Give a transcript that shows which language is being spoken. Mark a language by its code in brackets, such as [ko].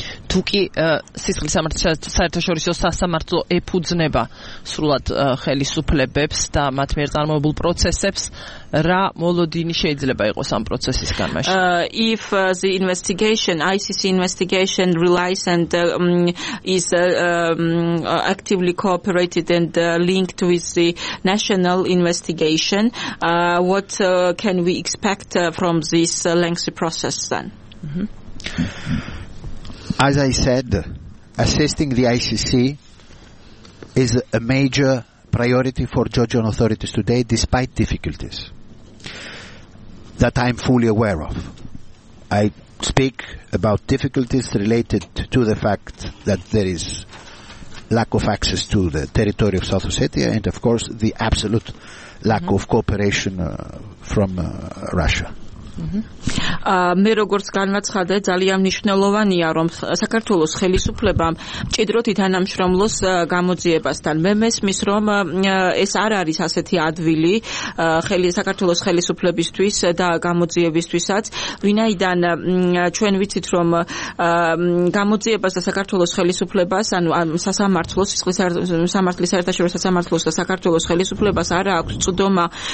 [ka] თუკი სისხლის სამართლის საერთაშორისო სასამართლო ეფუძნება სრულად ხელისუფლებებს და მათ მიერ წარმოებულ პროცესებს რა მოლოდინი შეიძლება იყოს ამ პროცესის განმავლობაში [en] if the investigation ICC investigation relies and is actively cooperated and linked with the national investigation what can we expect from this lengthy process then As I said, assisting the ICC is a major priority for Georgian authorities today, despite difficulties that I am fully aware of. I speak about difficulties related to the fact that there is lack of access to the territory of South Ossetia and, of course, the absolute lack of cooperation from Russia. [ka] მე როგორც განვაცხადე ძალიან მნიშვნელოვანია რომ საქართველოს ხელისუფლებამ მჭიდროდ ითანამშრომლოს გამოძიებასთან მე მესმის რომ ეს არ არის ასეთი ადვილი საქართველოს ხელისუფლებისთვის და გამოძიებისთვისაც ვინაიდან ჩვენ ვიცით რომ გამოძიებას და საქართველოს ხელისუფლებას ანუ სასამართლოს სისხლის სამართლის საერთაშორისო სასამართლოს და საქართველოს ხელისუფლებას არ აქვს წვდომა